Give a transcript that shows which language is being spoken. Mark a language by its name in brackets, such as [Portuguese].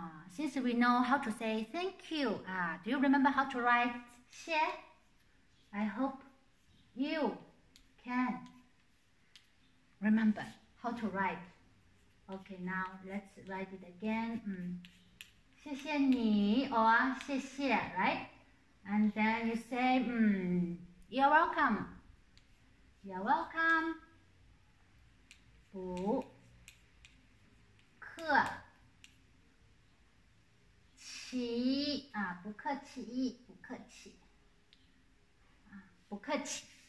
[English] Since we know how to say thank you, do you remember how to write 谢? I hope you can remember how to write. Okay, now let's write it again. [Chinese] 谢谢你， [English] or [Chinese] 谢谢， [English] right? And then you say, you're welcome. You're welcome. [Chinese] 不客气啊，不客气，不客气啊，不客气。